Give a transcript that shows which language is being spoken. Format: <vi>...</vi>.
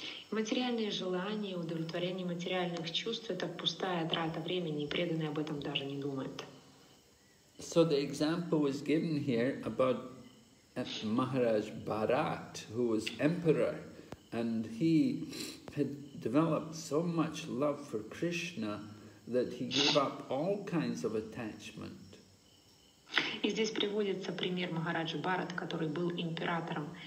<ru>Материальные желания, удовлетворение материальных чувств — это пустая трата времени, и преданный об этом даже не думает.</ru> <en>So the example was given here about Maharaj Bharat, who was emperor, and he had developed so much love for Krishna that he gave up all kinds of attachment.</en> <ru>И здесь приводится пример Махараджи Бхарата, который был императором.</ru>